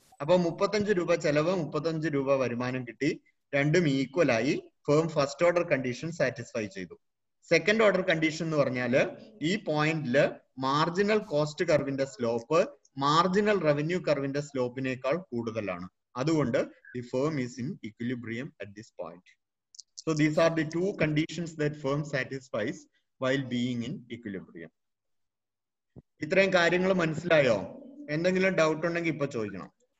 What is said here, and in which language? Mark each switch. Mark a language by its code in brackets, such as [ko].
[ml] അപ്പൊ 35 രൂപ ചെലവ്, 35 രൂപ വരുമാനം കിട്ടി, രണ്ടും ഈക്വലായി. Firm first order condition satisfy ചെയ്തു. സെക്കൻഡ് ഓർഡർ കണ്ടീഷൻ എന്ന് പറഞ്ഞാല് ഈ പോയിന്റിൽ മാർജിനൽ കോസ്റ്റ് കർവിന്റെ സ്ലോപ്പ് മാർജിനൽ റവന്യൂ കർവിന്റെ സ്ലോപ്പിനേക്കാൾ കൂടുതലാണ്. അതുകൊണ്ട് [en] The firm is in equilibrium at this point. So these are the two conditions that firm satisfies while being in equilibrium. [ml] ഇത്രയും കാര്യങ്ങൾ മനസ്സിലായോ? എന്തെങ്കിലും ഡൗട്ട് ഉണ്ടെങ്കിൽ ഇപ്പൊ ചോദിക്കണം.